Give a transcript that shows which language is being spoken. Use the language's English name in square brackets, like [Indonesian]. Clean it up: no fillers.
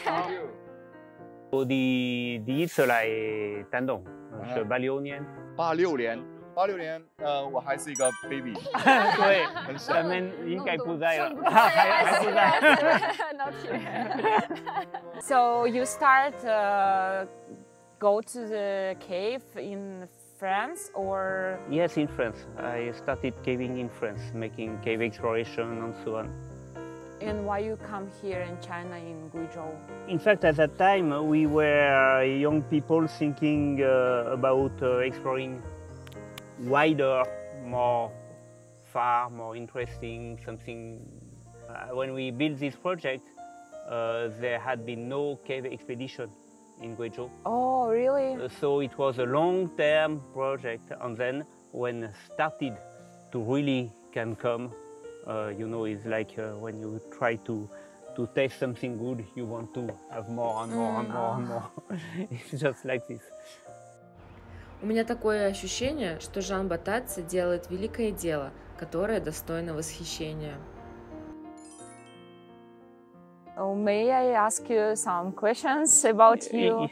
[English] hello。 [Chinese] 我的第一次来探洞是86年。 86年。86年，我还是一个 baby，对，很小，咱们应该不在了，还不在。 [English] So you start go to the cave in France or? Yes, in France. I started caving in France, making cave exploration and so on. And why you come here in China in Guizhou? In fact, at that time we were young people thinking about exploring. Wider, more far, more interesting, something. When we built this project, there had been no cave expedition in Guizhou. Oh, really? So it was a long-term project. And then when started to really can come, you know, it's like when you try to taste something good, you want to have more and more and more and more. It's just like this. [Russian] У меня такое ощущение, что Жан Батадзе делает великое дело, которое достойно восхищения. [English] May I ask you some questions about you?